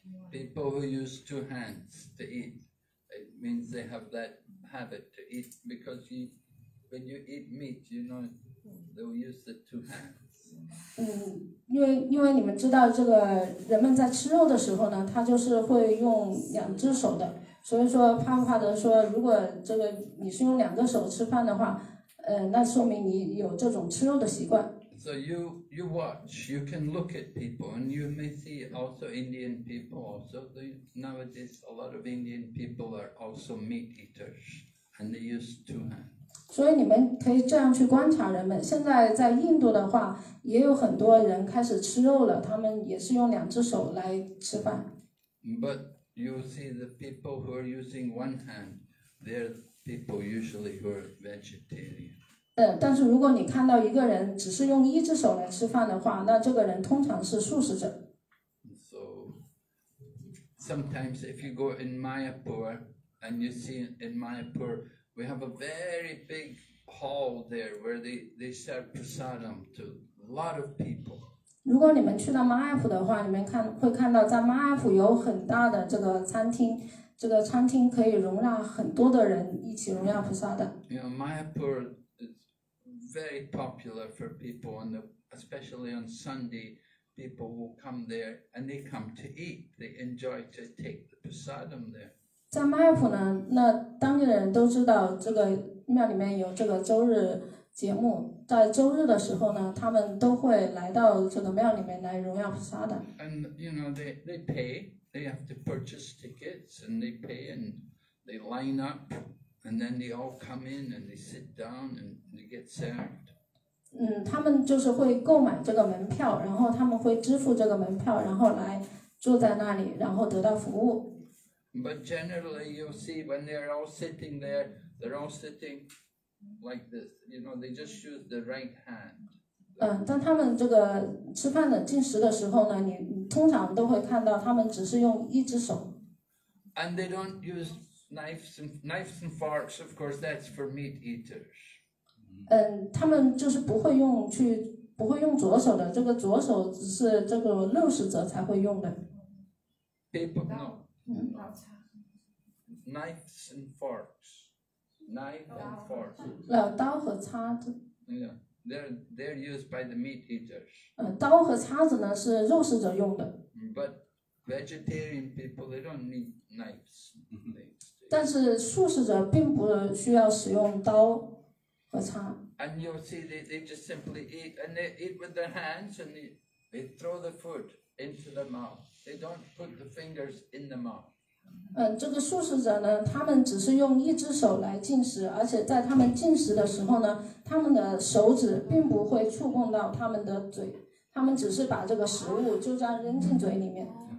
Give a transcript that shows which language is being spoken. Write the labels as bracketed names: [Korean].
[English] People who use two hands to eat, it means they have that habit to eat because you, when you eat meat, you know, they'll use the two hands. [Chinese] 因为你们知道这个人们在吃肉的时候呢，他就是会用两只手的。所以说，帕帕德说，如果这个你是用两个手吃饭的话。那说明你有这种吃肉的习惯。 [English] So you watch, you can look at people, and you may see also Indian people. Also, nowadays a lot of Indian people are also meat eaters, and they use two hands. [Chinese] 所以你们可以这样去观察人们。现在在印度的话，也有很多人开始吃肉了，他们也是用两只手来吃饭。 [English] But you see the people who are using one hand, they're people usually who are vegetarian. [Chinese] 但是如果你看到一个人只是用一只手来吃饭的话，那这个人通常是素食者。 [English] So sometimes if you go in Mayapur and you see in Mayapur, we have a very big hall there where they serve prasadam to a lot of people. [Chinese] 如果你们去到马尔福的话，你们会看到在马尔福有很大的这个餐厅。这个餐厅可以容纳很多的人一起容纳菩萨的。 [English] You know, Mayapur is very popular for people, and especially on Sunday, people will come there and they come to eat. They enjoy to take the prasadam there. [Chinese] 在 Mayapur 呢，那当地的人都知道这个庙里面有这个周日节目，在周日的时候呢，他们都会来到这个庙里面来容纳菩萨的。 [English] And you know, they pay.They have to purchase tickets, and they pay, and they line up, and then they all come in and they sit down and they get served. [Chinese] 嗯，他们就是会购买这个门票，然后他们会支付这个门票，然后来坐在那里，然后得到服务。 [English] But generally, you'll see when they're all sitting there, they're all sitting like this. You know, they just use the right hand. [Chinese] 嗯，当他们这个吃饭的进食的时候呢，你通常都会看到他们只是用一只手。 [English] And they don't use knives and forks. Of course, that's for meat eaters. [Chinese] 嗯，他们就是不会用左手的。这个左手只是这个肉食者才会用的。 [English] People know. Knives and forks. Knife and forks. [Chinese] 刀和叉子。 [English] Yeah, they're used by the meat eaters. [Chinese] 刀和叉子呢是肉食者用的。 [English] But vegetarian people, they don't need knives. [Chinese] 但是素食者并不需要使用刀和叉。 [English] And you'll see they just simply eat, and they eat with their hands, and they throw the food into their mouth. They don't put the fingers in the mouth. [Chinese] 这个素食者呢，他们只是用一只手来进食，而且在他们进食的时候呢，他们的手指并不会触碰到他们的嘴，他们只是把这个食物就这样扔进嘴里面。